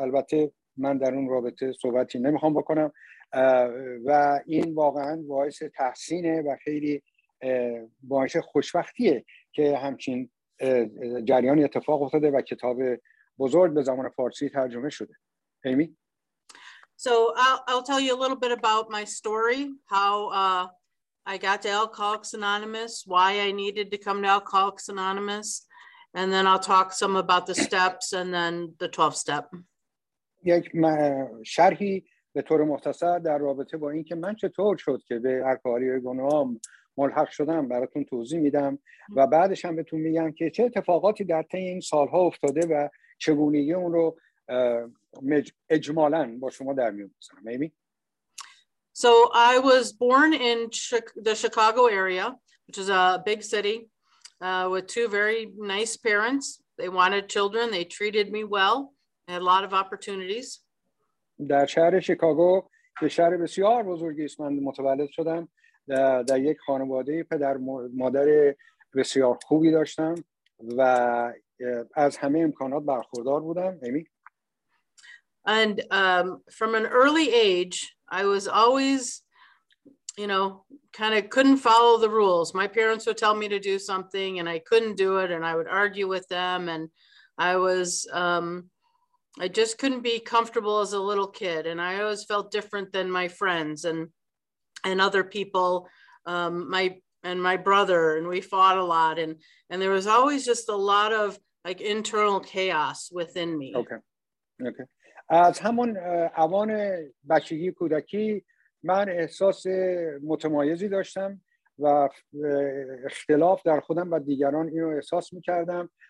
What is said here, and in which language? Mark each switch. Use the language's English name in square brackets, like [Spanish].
[Persian] البته من در اون رابطه صحبتی نمیخوام بکنم و این واقعا باعث تحسینه و خیلی باعث خوشبختیه که همچین جریان اتفاق افتاده و کتاب بزرگ به زبان فارسی ترجمه شده. ایمی؟ [English] So I'll tell you a little bit about my story, how I got to Alcoholics Anonymous, why I needed to come to Alcoholics Anonymous, and then I'll talk some about the steps and then the 12th step. [Persian] یک شرحی به طور مختصر در رابطه با اینکه من چطور شد که به الکلی گناهام ملحق شدم براتون توضیح میدم و بعدش هم بهتون میگم که چه اتفاقاتی در طی این سالها افتاده و چگونگی اون رو اجمالاً با شما در میون بذارم. میبینی؟ [English] So I was born in the Chicago area, which is a big city, with two very nice parents. They wanted children, they treated me well. I had a lot of opportunities. [Persian] در شهر شیکاگو، که شهر بسیار بزرگی است، من متولد شدم. در یک خانواده پدر مادر بسیار خوبی داشتم و از همه امکانات برخوردار بودم. امی. [English] And from an early age, I was always, you know, kind of couldn't follow the rules. My parents would tell me to do something and I couldn't do it. And I would argue with them. And I was, I just couldn't be comfortable as a little kid. And I always felt different than my friends and other people, my brother, and we fought a lot. And there was always just a lot of like internal chaos within me. Okay. [Persian] از همون اوان بچگی کودکی من احساس متمایزی داشتم و اختلاف در خودم و دیگران اینو احساس میکردم.